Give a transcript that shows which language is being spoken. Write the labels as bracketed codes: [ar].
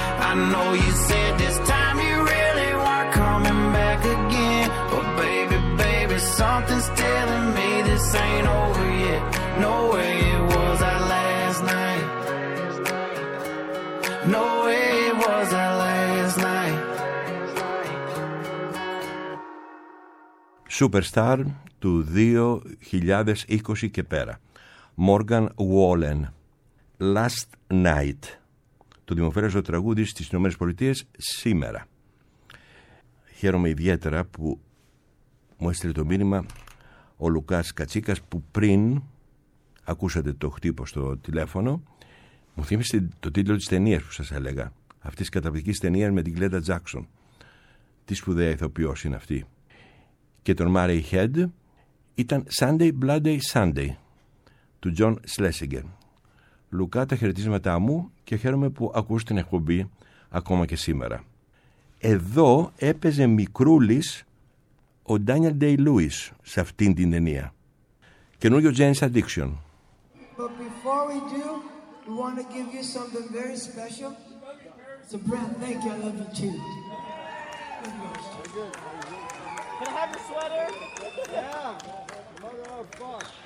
[en] I know you said this time you really weren't coming back again. But baby, baby, something's telling me this ain't over yet. No way it was our last night. No way it was our last night. [el] Superstar του 2020 και πέρα. [en] Morgan Wallen. Last Night. [el] Το δημοφιλέστερο τραγούδι στις Ηνωμένες Πολιτείες σήμερα. Χαίρομαι ιδιαίτερα που μου έστειλε το μήνυμα ο Λουκάς Κατσίκας, που πριν ακούσατε το χτύπο στο τηλέφωνο, μου θύμισε το τίτλο της ταινίας που σας έλεγα. Αυτής της καταπληκτικής ταινίας με την Γκλέντα Τζάκσον. Τι σπουδαία ηθοποιός είναι αυτή. Και τον Murray Head ήταν Sunday Bloody Sunday του John Schlesinger. Λουκά, τα χαιρετίσματά μου και χαίρομαι που ακούς την εκπομπή ακόμα και σήμερα. Εδώ έπαιζε μικρούλης ο Daniel Day-Lewis σε αυτήν την ταινία. Καινούριο Jane's Addiction. [en] But before we do, we want to give you something very special. So Brad, thank you, I love you too. Can I have your sweater? Yeah. Mother of fuck.